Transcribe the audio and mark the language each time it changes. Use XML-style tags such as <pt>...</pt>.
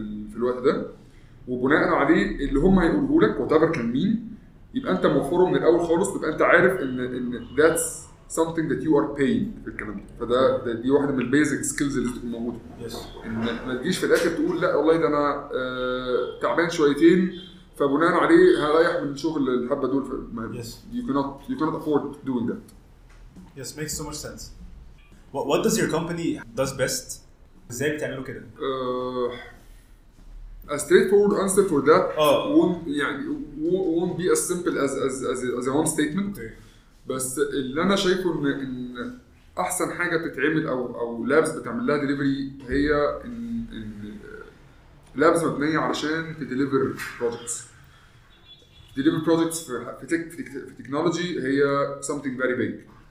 <ar>في الوقت ده وبناء عليه اللي هم هيقولوا لك وتبر كان مين يبقى انت موفره من الاول خالص يبقى انت عارف ان</ar> <en>that's something that you are paying</en> <ar>في الكلام ده فده دي واحده من البيزك سكيلز اللي تكون موجوده ان ما تجيش في الاخر تقول لا والله ده انا تعبان شويتين فبناء عليه هريح من شغل الحبه دول</ar> <en>you cannot afford doing that yes makes so much sense what does your company does best</en> <ar>ازاي بتعملوا كده</ar> <en>A straightforward answer for that won't be as simple as a one statement.</en> <ar>بس اللي أنا شايفه إن أحسن حاجة بتتعمل أو لابس بتعملها delivery هي إن لابس مبنية علشان تdeliver projects.</ar> <en>Deliver projects في technology هي something very big.</en>